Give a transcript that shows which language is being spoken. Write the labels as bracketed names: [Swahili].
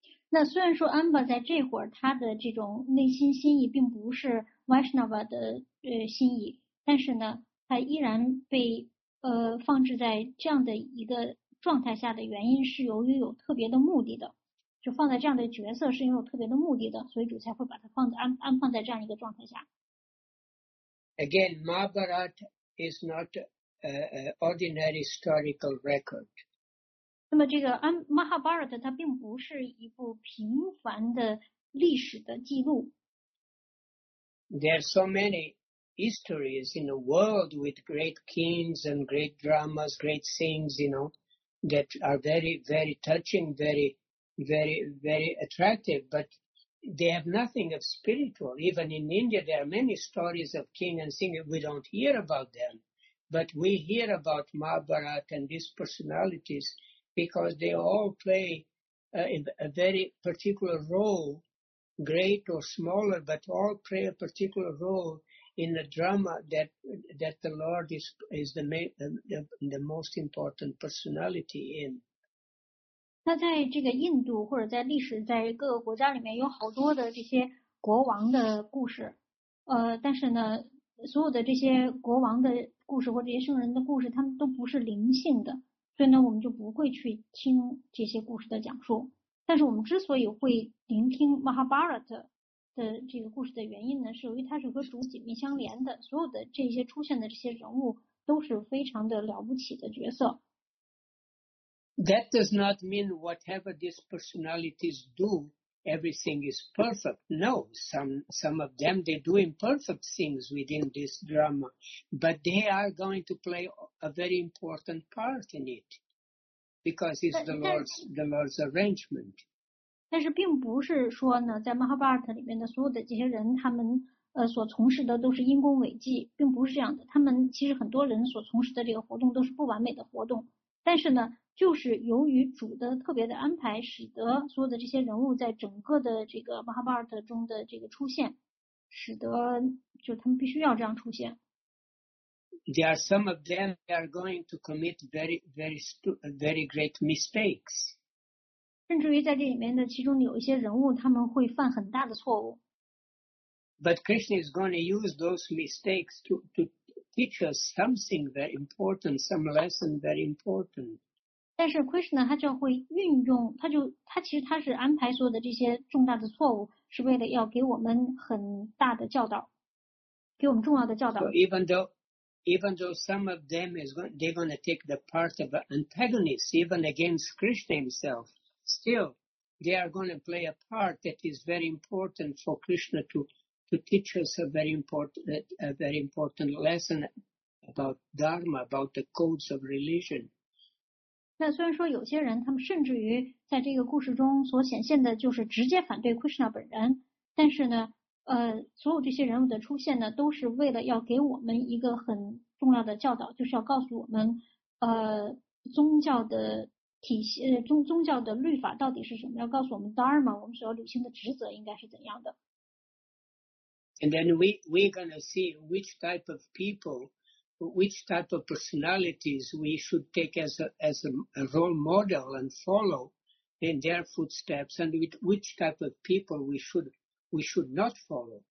[Chinese] 那虽然说 Amba 在这会儿他的这种内心心意并不是 Vaishnava 的心意，但是呢他依然被放置在这样的一个状态下的原因是由于有特别的目的的，就放在这样的角色是因为有特别的目的的，所以主才会把它安放在这样一个状态下。 [English] Again, Mahabharata is not an ordinary historical record. [Chinese] 那么这个 Mahabharata 它并不是一部平凡的历史的记录。 [English] There are so many histories in the world with great kings and great dramas, great scenes, you know, that are very, very touching, very, very attractive, but they have nothing of spiritual. Even in India, there are many stories of king and singer. We don't hear about them, but we hear about Mahabharata and these personalities because they all play a very particular role, great or smaller, but all play a particular role in the drama that the Lord is the most important personality in. [Chinese] 那在这个印度或者在历史在各个国家里面有好多的这些国王的故事，但是呢所有的这些国王的故事或这些圣人的故事他们都不是灵性的，所以呢我们就不会去听这些故事的讲述。但是我们之所以会聆听 Mahabharata 的这个故事的原因呢，是由于它是和主紧密相连的，所有的这些出现的这些人物都是非常的了不起的角色。 [English] That does not mean whatever these personalities do, everything is perfect. No, some of them, they do imperfect things within this drama, but they are going to play a very important part in it because it's the Lord's arrangement. [Chinese] 但是并不是说呢，在 Mahabharata 里面的所有的这些人，他们所从事的都是因功伟绩，并不是这样的。他们其实很多人所从事的这个活动都是不完美的活动，但是呢就是由于主的特别的安排，使得所有的这些人物在整个的这个 Mahabharata 中的这个出现，使得就他们必须要这样出现。 [English] There are some of them that are going to commit very, very, very great mistakes. [Chinese] 甚至于在这里面的其中有一些人物，他们会犯很大的错误。 [English] But Krishna is going to use those mistakes to teach us something very important, some lesson very important. [Chinese] 但是 Krishna 他就会运用，他就他其实他是安排所有的这些重大的错误，是为了要给我们很大的教导，给我们重要的教导。 [English] So even though some of them is going, they're going to take the part of an antagonist, even against Krishna himself, still they are going to play a part that is very important for Krishna to teach us a very important lesson about dharma, about the codes of religion. [Chinese] 那虽然说有些人他们甚至于在这个故事中所显现的就是直接反对 Krishna 本人，但是呢所有这些人物的出现呢都是为了要给我们一个很重要的教导，就是要告诉我们宗教的体系，宗教的律法到底是什么，要告诉我们 Dharma 我们所要履行的职责应该是怎样的。 [English] And then we're going to see which type of people, which type of personalities we should take as a role model and follow in their footsteps, and which type of people we should not follow.